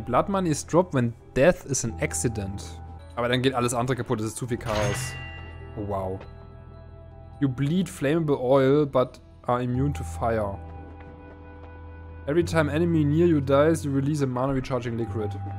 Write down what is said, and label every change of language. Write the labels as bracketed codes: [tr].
[en] Blood Money is dropped when death is an accident. [de] Aber dann geht alles andere kaputt, das ist zu viel Chaos. Oh, wow. [en] You bleed flammable oil, but are immune to fire. Every time enemy near you dies, you release a mana recharging liquid.